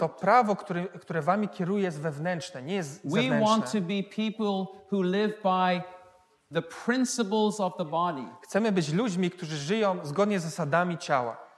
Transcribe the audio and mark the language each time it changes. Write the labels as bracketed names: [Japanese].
[Polish] To prawo, które wami kieruje, jest wewnętrzne, nie jest zewnętrzne. [English] We want to be people who live by the principles of the body. [Polish] Chcemy być ludźmi, którzy żyją zgodnie z zasadami ciała.